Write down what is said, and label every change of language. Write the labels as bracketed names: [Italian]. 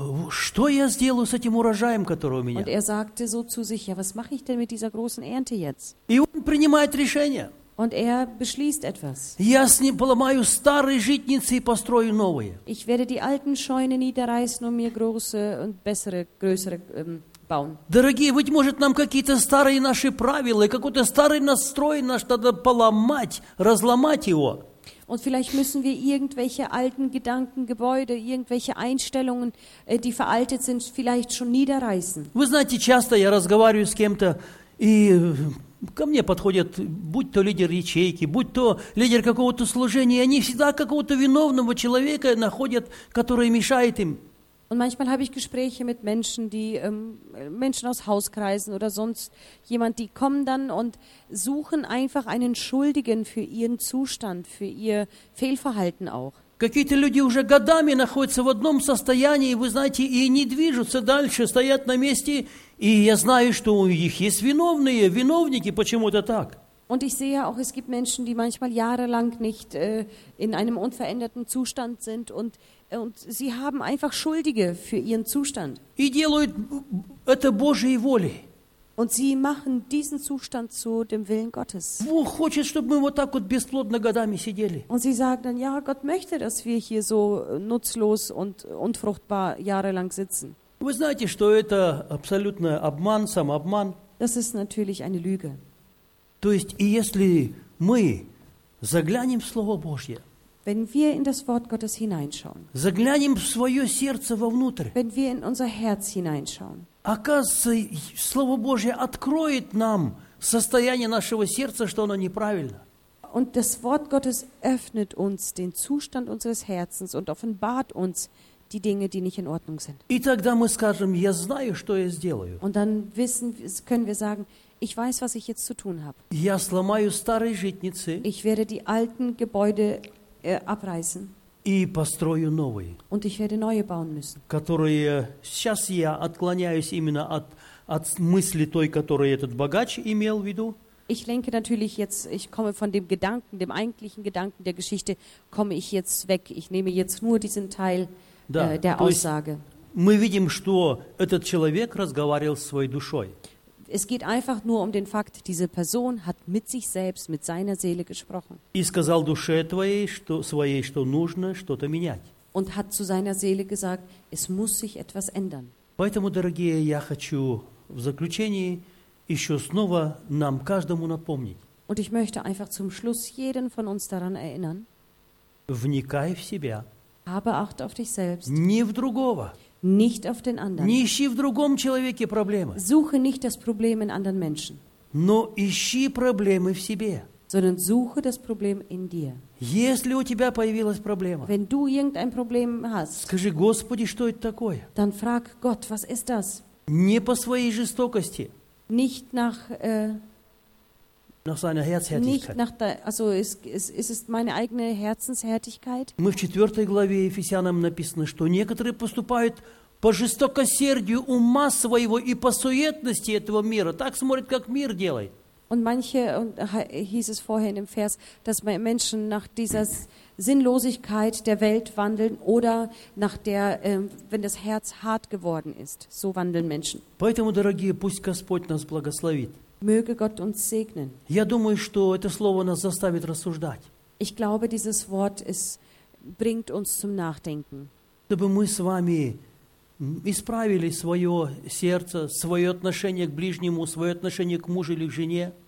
[Russian] Что я сделаю с этим урожаем, который у меня? [German] Und er sagte so zu sich, ja, was mache ich denn mit dieser großen Ernte jetzt? [Russian] И он принимает решение. [German] Und er beschließt etwas. [Russian] Я с ним поломаю старые житницы и построю новые. [German] Ich werde die alten Scheune niederreißen und mir große und bessere, größere bauen. [Russian] Дорогие, быть может, нам какие-то старые наши правила, какой-то старый настрой наш надо поломать, разломать его. [German] Und vielleicht müssen wir irgendwelche alten Gedanken, Gebäude, irgendwelche Einstellungen, die veraltet sind, vielleicht schon niederreißen. [Russian] Вы знаете, часто я разговариваю с кем-то, и ко мне подходят, будь то лидер ячейки, будь то лидер какого-то служения, они всегда какого-то виновного человека находят, который мешает им. [German] Und manchmal habe ich Gespräche mit Menschen, die Menschen aus Hauskreisen oder sonst jemand, die kommen dann und suchen einfach einen Schuldigen für ihren Zustand, für ihr Fehlverhalten auch. [Russian] Какие-то люди уже годами находятся в одном состоянии, вы знаете, и не движутся дальше, стоят на месте, и я знаю, что у них есть виновные, виновники, почему это так. [German] Und ich sehe auch, es gibt Menschen, die manchmal jahrelang nicht in einem unveränderten Zustand sind und sie haben einfach Schuldige für ihren Zustand. [Russian] И делают это Божьей волей. [German] Und sie machen diesen Zustand zu dem Willen Gottes. [Russian] Бог хочет, чтобы мы вот так вот бесплодно годами сидели. [German] Und sie sagen dann, ja, Gott möchte, dass wir hier so nutzlos und unfruchtbar jahrelang sitzen. [Russian] Вы знаете, что это абсолютно обман, самообман. [German] Das ist natürlich eine Lüge. [Russian] То есть, и если мы заглянем в Слово Божье, [German] wenn wir in das Wort Gottes hineinschauen, [Russian] заглянем в свое сердце вовнутрь, [German] wenn wir in unser Herz hineinschauen, [Russian] оказывается, Слово Божье откроет нам состояние нашего сердца, что оно неправильно. [German] Und das Wort Gottes öffnet uns den Zustand unseres Herzens und offenbart uns die Dinge, die nicht in Ordnung sind. [Russian] И тогда мы скажем, я знаю, что я сделаю. [German] Und dann wissen, können wir sagen, ich weiß, was ich jetzt zu tun habe. [Russian] Я сломаю старые житницы. [German] Ich werde die alten Gebäude abreißen. [Russian] И построю новые. [German] Und ich werde neue bauen müssen. [Russian] Которые сейчас я отклоняюсь именно от мысли той, которую этот богач имел в виду. [German] Ich lenke natürlich jetzt, ich komme von dem Gedanken, dem eigentlichen Gedanken der Geschichte, komme ich jetzt weg. Ich nehme jetzt nur diesen Teil [Russian] да, [German] der Aussage. [Russian] Мы видим, что этот человек разговаривал с своей душой. [German] Es geht einfach nur um den Fakt, diese Person hat mit sich selbst, mit seiner Seele gesprochen. [Russian] И сказал душе твоей, что, своей, что нужно что-то менять. [German] Und hat zu seiner Seele gesagt, es muss sich etwas ändern. [Russian] Поэтому, дорогие, я хочу в заключении еще снова нам каждому напомнить. [German] Und ich möchte einfach zum Schluss jeden von uns daran erinnern. [Russian] Вникай в себя. [German] Habe Acht auf dich selbst. [Russian] Не в другого. [German] Nicht auf den anderen. [Russian] Не ищи в другом человеке проблемы. [German] Suche nicht das Problem in anderen Menschen. [Russian] Но ищи проблемы в себе. [German] Sondern suche das Problem in dir. [Russian] Если у тебя появилась проблема, [German] wenn du irgendein Problem hast, [Russian] скажи, Господи, что это такое? [German] Dann frag Gott, was ist das? [Russian] Не по своей жестокости. [German] Nicht nach, nach seiner Herzhärtigkeit. Nicht nach der, also es ist meine eigene Herzenshärtigkeit. [Russian] Мы в 4 главе Ефесянам написано, что некоторые поступают по жестокосердию ума своего и по суетности этого мира. Так смотрят, как мир делает. [German] Und manche, und hieß es vorher in dem Vers, dass Menschen nach dieser Sinnlosigkeit der Welt wandeln oder nach der, wenn das Herz hart geworden ist, so wandeln Menschen. [Russian] Поэтому, дорогие, пусть Господь нас благословит. [German] Möge Gott uns segnen. [Russian] Я думаю, что это слово нас заставит рассуждать. [German] Ich glaube, dieses Wort bringt uns zum Nachdenken. [Russian] Чтобы мы с вами исправили свое сердце, свое отношение к ближнему, свое отношение к мужу или к жене.